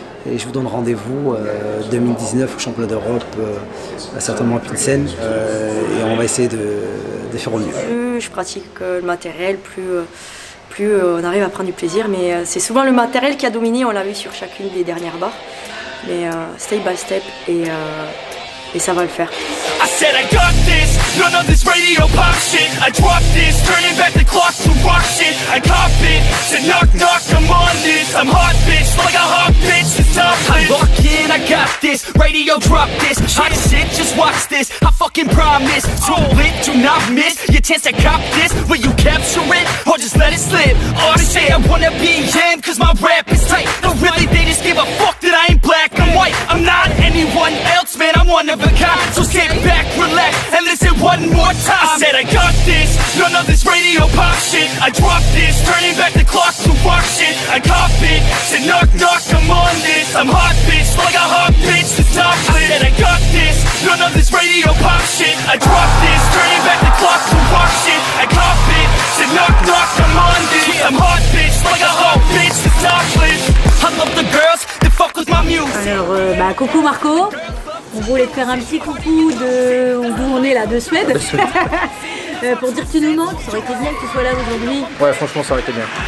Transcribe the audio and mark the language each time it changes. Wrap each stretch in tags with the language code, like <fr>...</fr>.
<fr>Et je vous donne rendez-vous 2019 au championnat d'Europe, certainement à Pilsen. Et on va essayer de faire au mieux. Plus je pratique le matériel, plus... plus on arrive à prendre du plaisir, mais c'est souvent le matériel qui a dominé, on l'a vu sur chacune des dernières barres. Mais</fr> <en>step by step,</en> <fr>et ça va le faire.</fr> <en>I said I got this, none of this radio pop shit. I drop this, turning back the clock to rock shit. I cop it, said knock knock, I'm on this. I'm hot bitch, like a hot bitch, it's top hit. Lock in, I got this, radio drop this. Hot shit, just watch this, I fucking promise. Tool it, do not miss, your chance to cop this. Will you capture it, or just let it slip? All they say I wanna be him, cause my rap is tight. No really, they just give a fuck that I ain't black, I'm white. I'm not anyone else, man, I'm one of a kind. So sit back, relax, and listen one more time. I said I got this, none of this radio pop shit. I drop this, turning back the clock to rock shit. I cop it, said knock knock, I'm on this. I'm hot bitch, like a hot bitch, the top lit. I said I got this, none of this radio pop shit. I drop this, turning back the clock to rock shit. I cop it, said knock knock, I'm on this. I'm hot bitch, like a hot bitch, the top lit. I love the girls, they fuck with my music.</en> <fr>Alors, bah, coucou Marco. On voulait te faire un petit coucou de d'où on est là, de Suède. pour dire que tu nous manques, ça aurait été bien que tu sois là aujourd'hui. Ouais, franchement, ça aurait été bien.</fr>